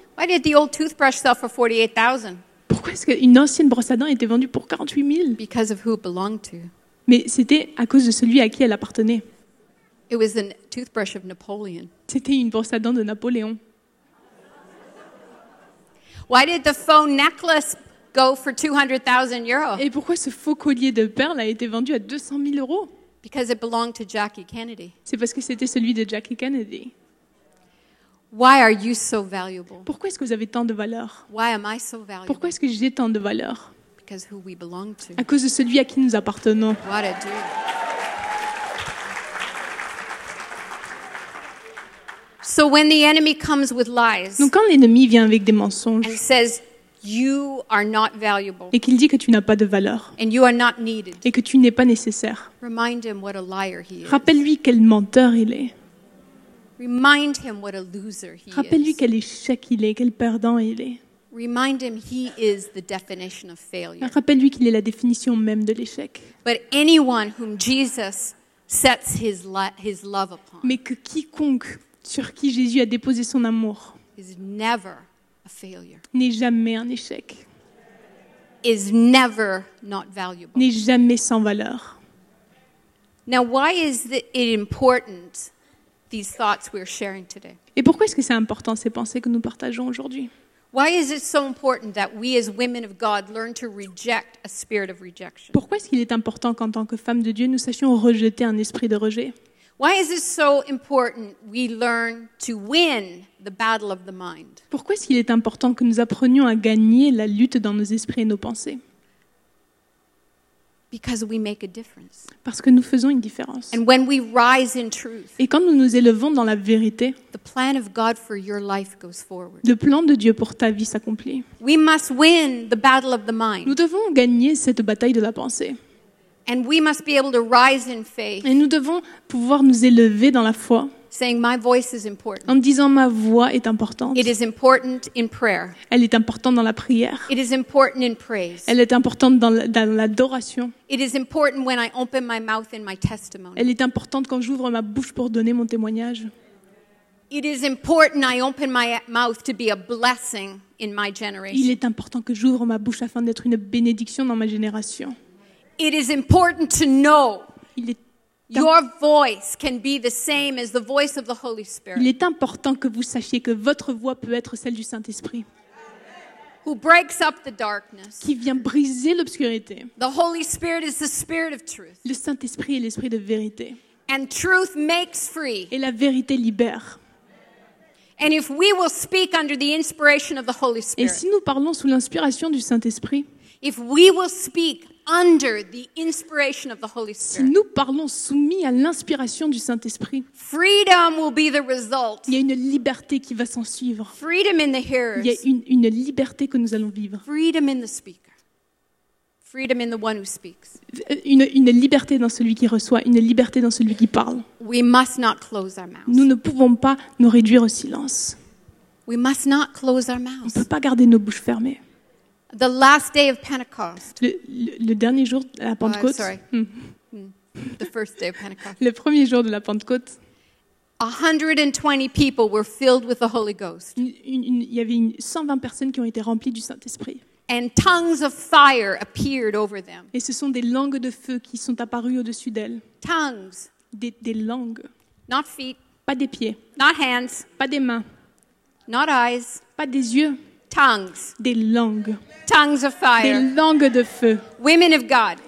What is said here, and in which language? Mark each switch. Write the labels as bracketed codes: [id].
[en] Why did the old toothbrush sell for 48,000? [fr] Pourquoi est-ce qu'une ancienne brosse à dents était vendue pour 48 000? [en] Because of who it belonged to. [fr] Mais c'était à cause de celui à qui elle appartenait. [en] It was a toothbrush of Napoleon. [fr] C'était une brosse à dents de Napoléon. [en] Why did the faux necklace go for 200,000 euros? [fr] Et pourquoi ce faux collier de perles a été vendu à 200 000 euros? [en] Because it belonged to Jackie Kennedy. [fr] C'est parce que c'était celui de Jackie Kennedy. [en] Why are you so valuable? [fr] Pourquoi est-ce que vous avez tant de valeur? [en] Why am I so valuable? [fr] Pourquoi est-ce que j'ai tant de valeur? [en] Because who we belong to. [fr] À cause de celui à qui nous appartenons. [en] What a deal. So when the enemy comes with lies. [fr] Donc quand l'ennemi vient avec des mensonges. [en] And says you are not valuable. [fr] Et qu'il dit que tu n'as pas de valeur. [en] And you are not needed. [fr] Et que tu n'es pas nécessaire. [en] Remind him what a liar he is. [fr] Rappelle-lui quel menteur il est. [en] Remind him what a loser he is. [fr] Rappelle-lui quel échec il est, quel perdant il est. [en] Remind him he is the definition of failure. [fr] Rappelle-lui qu'il est la définition même de l'échec. [en] But anyone whom Jesus sets his love upon. [fr] Mais que quiconque sur qui Jésus a déposé son amour [en] is never a failure. [fr] N'est jamais un échec. [en] Is never not valuable. [fr] N'est jamais sans valeur. [en] Now why is it important? These thoughts we're sharing today. [fr] Et pourquoi est-ce que c'est important ces pensées que nous partageons aujourd'hui? [en] Why is it so important that we as women of God learn to reject a spirit of rejection? [fr] Pourquoi est-ce qu'il est important qu'en tant que femmes de Dieu nous sachions rejeter un esprit de rejet? [en] Why is it so important we learn to win the battle of the mind? [fr] Pourquoi est-ce qu'il est important que nous apprenions à gagner la lutte dans nos esprits et nos pensées? [en] Because we make a difference. [fr] Parce que nous faisons une différence. [en] And when we rise in truth, [fr] et quand nous nous élevons dans la vérité, [en] the plan of God for your life goes forward. [fr] Le plan de Dieu pour ta vie s'accomplit. [en] We must win the battle of the mind. [fr] Nous devons gagner cette bataille de la pensée. [en] And we must be able to rise in faith, [fr] et nous devons pouvoir nous élever dans la foi [en] saying, my voice is important. [fr] En disant ma voix est importante. [en] It is important in prayer. [fr] Elle est importante dans la prière. [en] It is important in praise. [fr] Elle est importante dans l'adoration. [en] It is important when I open my mouth in my testimony. [fr] Elle est importante quand j'ouvre ma bouche pour donner mon témoignage. [en] It is important I open my mouth to be a blessing in my generation. [fr] Il est important que j'ouvre ma bouche afin d'être une bénédiction dans ma génération. [en] It is important to know. [fr] Il est [en] Your voice can be the same as the voice of the Holy Spirit. [fr] Il est important que vous sachiez que votre voix peut être celle du Saint-Esprit. [en] Who breaks up the darkness. [fr] Qui vient briser l'obscurité. [en] The Holy Spirit is the Spirit of truth. [fr] Le Saint-Esprit est l'esprit de vérité. [en] And truth makes free. [fr] Et la vérité libère. [en] And if we will speak under the inspiration of the Holy Spirit. [fr] Et si nous parlons sous l'inspiration du Saint-Esprit. [en] If we will speak under the inspiration of the Holy Spirit. [fr] Si nous parlons soumis à l'inspiration du Saint-Esprit, [en] freedom will be the result. [fr] Il y a une liberté qui va s'en suivre. [en] Freedom in the hearers. [fr] Il y a une liberté que nous allons vivre. [en] Freedom in the speaker. Freedom in the one who speaks. [fr] Une liberté dans celui qui reçoit, une liberté dans celui qui parle. [en] We must not close our mouths. [fr] Nous ne pouvons pas nous réduire au silence. [en] We must not close our mouths. [fr] On ne peut pas garder nos bouches fermées. [en] The last day of Pentecost. [fr] Le dernier jour de la Pentecôte. [en] Oh, sorry. The first day of Pentecost. [fr] Le premier jour de la Pentecôte. [en] 120 people were filled with the Holy Ghost. [fr] Il y avait 120 personnes qui ont été remplies du Saint-Esprit. [en] And tongues of fire appeared over them. [fr] Et ce sont des langues de feu qui sont apparues au-dessus d'elles. [en] Tongues. [fr] Des langues. [en] Not feet. [fr] Pas des pieds. [en] Not hands. [fr] Pas des mains. [en] Not eyes. [fr] Pas des yeux. [en] tongues. [fr] Des langues. [en] Tongues of fire. [fr] Des langues de feu. [en] Women of God.